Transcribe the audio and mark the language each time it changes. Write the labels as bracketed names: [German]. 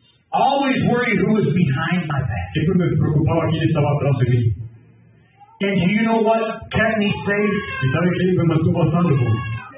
[English] Always worried who was behind my back. [Spanish] Siempre me preocupaba quién estaba atrás de mí. [English] And you know what kept me safe? [Spanish] ¿Y sabes quién me mantuvo a salvo?